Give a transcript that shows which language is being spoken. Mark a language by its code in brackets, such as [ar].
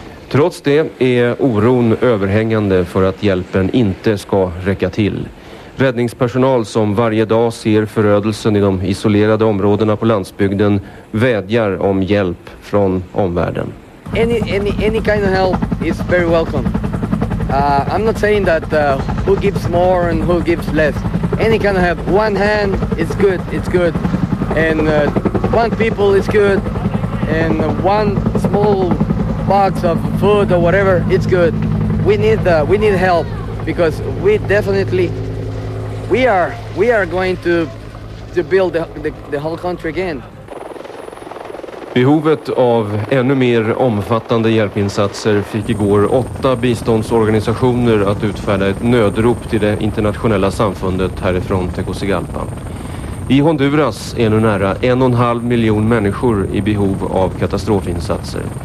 [sv] Trots det är oron överhängande för att hjälpen inte ska räcka till. Räddningspersonal som varje dag ser förödelsen i de isolerade områdena på landsbygden vädjar om hjälp från omvärlden. [en] Any kind of help is very welcome. I'm not saying that who gives more and who gives less. Any kind of help, one hand is good, it's good. And one people is good. And one small box of food or whatever, it's good. We need help because we definitely We are going to build the whole country again. [sv] Behovet av ännu mer omfattande hjälpinsatser fick igår 8 biståndsorganisationer att utfärda ett nödrop till det internationella samfundet härifrån Tegucigalpa. I Honduras är nu nära 1,5 miljon människor i behov av katastrofinsatser.